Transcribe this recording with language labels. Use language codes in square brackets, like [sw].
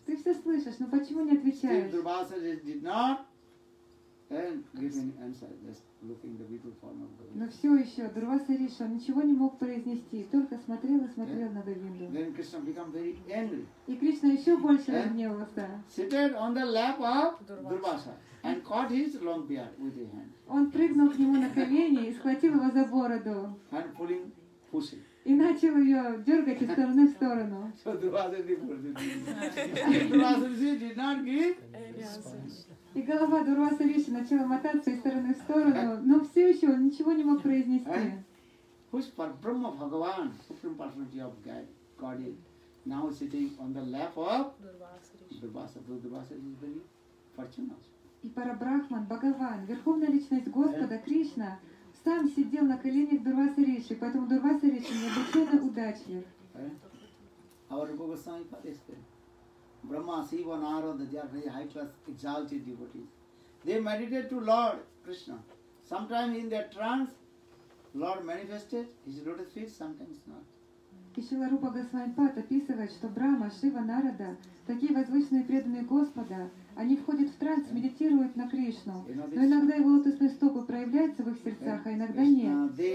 [ru] Ты все слышишь, но почему не отвечаешь? [en] Still, Durvasa did not give any answer. Just looking the beautiful form of Govinda. [ru] Но все еще Дурваса Риша ничего не мог произнести, только смотрел и смотрел на Говинду. [en] Then Krishna became very angry. [ru] И Кришна еще больше разгневался. [en] Seated on the lap of Durvasa and caught his long beard with his hand. [ru] Он прыгнул к нему на колени и схватил его за бороду. [en] And pulling pussy. [ru] И начал ее дергать из стороны в сторону. [en] So Durvasa did not give. [ru] И голова Дурваса Риши начала мотаться из стороны в сторону, но все еще он ничего не мог произнести. [en] Brahma Bhagavan, Supreme Personality of Godhead, now sitting on the lap of Durvasa Riši. Durvasa Riši is very fortunate. [ru] И Парабрахман, Бхагаван, Верховная Личность Господа Кришна, сам сидел на коленях Дурваса Риши, поэтому Дурваса Риши необычайно удачлив. [en] Our Rupa Goswami Pariste. Brahma, Siva, Narada, they are very high-class, exalted devotees. They meditate to Lord Krishna. Sometimes in their trance, Lord manifested his lotus feet, sometimes not. [ru] И Шрила Рупа Госвамипад описывает, что Брама, Шива, Нарада, такие возвышенные преданные Господа, они входят в транс, медитируют на Кришну. Но иногда его лотосные стопы проявляются в их сердцах, а иногда нет.